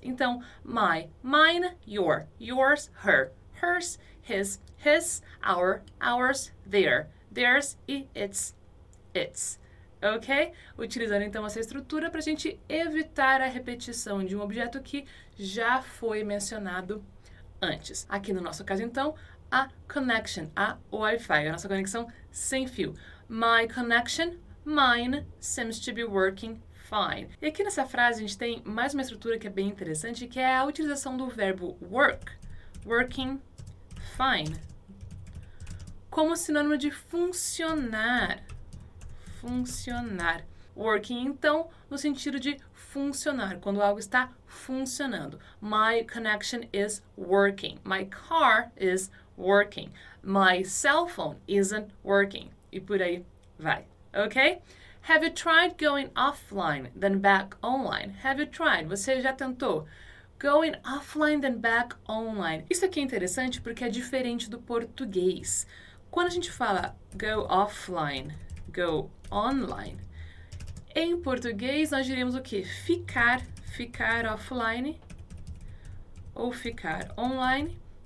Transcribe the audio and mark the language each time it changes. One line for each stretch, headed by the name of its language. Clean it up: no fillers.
English: Então, my, mine, your, yours, her, hers, his, his, our, ours, their, theirs e its, its. Ok?
Portuguese: Utilizando então essa estrutura para a gente evitar a repetição de um objeto que já foi mencionado antes. Aqui no nosso caso, então, a connection, a Wi-Fi, a nossa conexão sem fio.
English: My connection. Mine seems to be working fine.
Portuguese: E aqui nessa frase a gente tem mais uma estrutura que é bem interessante, que é a utilização do verbo work, working Fine. Como sinônimo de funcionar. Funcionar. Working, então, no sentido de funcionar, quando algo está funcionando.
English: My connection is working. My car is working. My cell phone isn't working.
Portuguese: E por aí vai,
English: ok? Have you tried going offline, then back online? Have you tried?
Portuguese: Você já tentou?
English: Going offline, then back online.
Portuguese: Isso aqui é interessante porque é diferente do português. Quando a gente fala go offline, go online, em português nós diríamos o quê? Ficar offline ou ficar online.